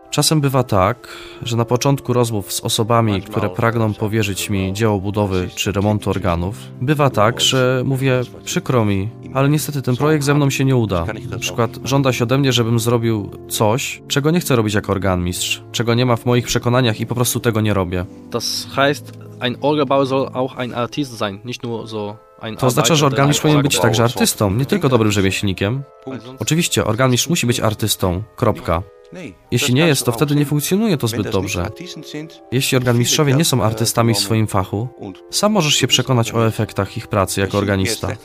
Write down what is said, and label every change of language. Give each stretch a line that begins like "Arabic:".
Polish: Czasem bywa tak, że na początku rozmów z osobami, które pragną powierzyć mi dzieło budowy czy remontu organów, bywa tak, że mówię, przykro mi, ale niestety ten projekt ze mną się nie uda. Na przykład żąda się ode mnie, żebym zrobił coś, czego nie chcę robić jako organmistrz, czego nie ma w moich przekonaniach i po prostu tego nie robię.
German: Das heißt, ein Orgelbauer soll auch ein Artist sein, nicht nur so.
Polish: To oznacza, że organisz powinien być także artystą, nie tylko dobrym rzemieślnikiem. Oczywiście, organisz musi być artystą, kropka. Jeśli nie jest, to wtedy nie funkcjonuje to zbyt dobrze. Jeśli organmistrzowie nie są artystami w swoim fachu, sam możesz się przekonać o efektach ich pracy jako organista.